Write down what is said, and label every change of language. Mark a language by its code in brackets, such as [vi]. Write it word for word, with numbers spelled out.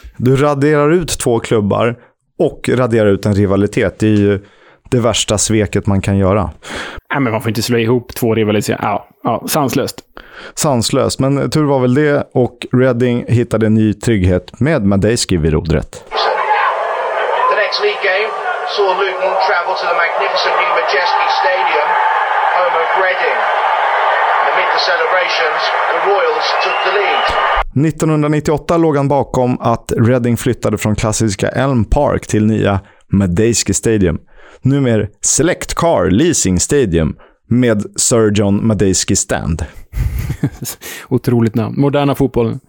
[sv] Du raderar ut två klubbar och raderar ut en rivalitet. Det är ju det värsta sveket man kan göra. Nej, men man får inte slå ihop två rivalitet. Ja, ja, sanslöst. Sanslöst, men tur var väl det. Och Reading hittade en ny trygghet med Madejski vid rodret. [en] The next league game saw Luton travel to the magnificent new Majeski Stadium, home of Reading. Amid the celebrations, the Royals took the lead. [sv] nittonhundranittioåtta låg han bakom att Reading flyttade från klassiska Elm Park till nya Madejski Stadium. Numera Select Car Leasing Stadium med Sir John Madejski Stand. Otroligt namn. Moderna fotbollen.